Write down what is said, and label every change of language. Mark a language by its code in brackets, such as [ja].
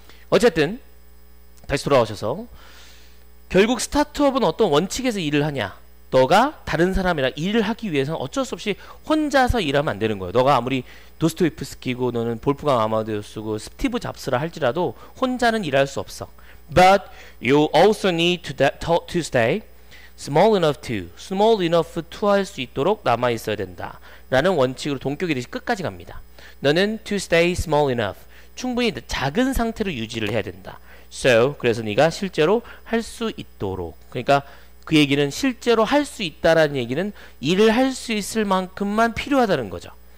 [ko] 어쨌든 다시 돌아오셔서 결국 스타트업은 어떤 원칙에서 일을 하냐. 너가 다른 사람이랑 일을 하기 위해서는 어쩔 수 없이 혼자서 일하면 안 되는 거예요. 너가 아무리 도스토옙스키고 너는 볼프강 아마데우스고 스티브 잡스라 할지라도 혼자는 일할 수 없어. [en] But you also need to stay small enough to. Small enough to [ko] 할 수 있도록 남아있어야 된다. 라는 원칙으로 동격이 되시 끝까지 갑니다. 너는 [en] to stay small enough. [ko] 충분히 작은 상태로 유지를 해야 된다. So, 그래서 네가 실제로 할 수 있도록. 그러니까 그 얘기는 실제로 할 수 있다라는 얘기는 일을 할 수 있을 만큼만 필요하다는 거죠.